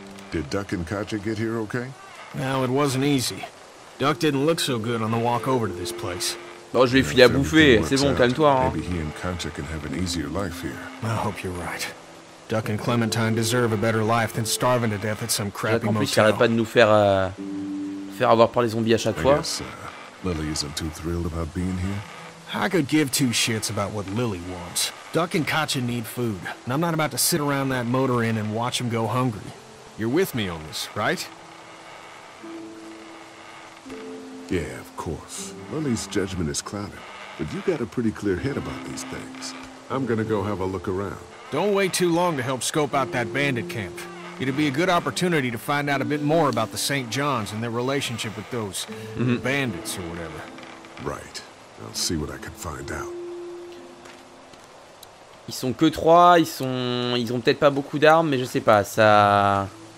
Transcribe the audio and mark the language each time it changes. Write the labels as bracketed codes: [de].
[en] Did Duck and Katja get here okay? No, it wasn't easy. Duck didn't look so good on the walk over to this place. [fr] Bon, je vais filer à bouffer. C'est bon, calme-toi. [en] Maybe he and Katja can have an easier life here. I hope you're right. Duck and Clementine deserve a better life than starving to death at some crappy motel. [fr] En plus, il arrête pas de nous faire avoir par les zombies à chaque fois. [en] I guess, Lily isn't too thrilled about being here. I could give two shits about what Lily wants. Duck and Katja need food, and I'm not about to sit around that motor inn and watch them go hungry. You're with me on this, right? Yeah, of course. Lily's judgment is clouded, but you got a pretty clear head about these things. I'm gonna go have a look around. Don't wait too long to help scope out that bandit camp. It'd be a good opportunity to find out a bit more about the St. Johns and their relationship with those bandits or whatever. Right. I'll see what I can find out. [fr] Ils sont que trois, ils ont peut-être pas beaucoup d'armes, mais je sais pas, ça...